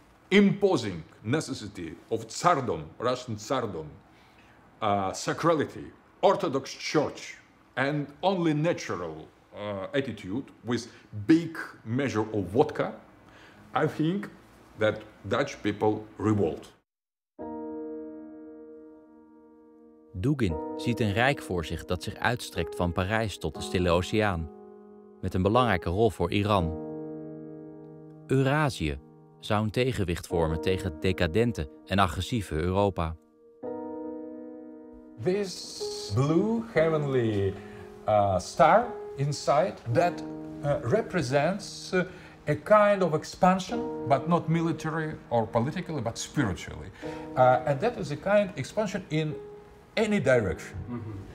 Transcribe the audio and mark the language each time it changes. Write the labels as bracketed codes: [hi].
[en] imposing necessity of tsardom, Russian tsardom, sacrality, Orthodox Church, and only natural attitude with big measure of vodka, I think that Dutch people revolt. [nl] Dugin ziet een rijk voor zich dat zich uitstrekt van Parijs tot de Stille Oceaan, met een belangrijke rol voor Iran. Eurazië zou een tegenwicht vormen tegen het decadente en agressieve Europa. [en] This blue heavenly star inside that represents a kind of expansion, but not military or politically, but spiritually. And that is a kind of expansion in any direction. Mm-hmm.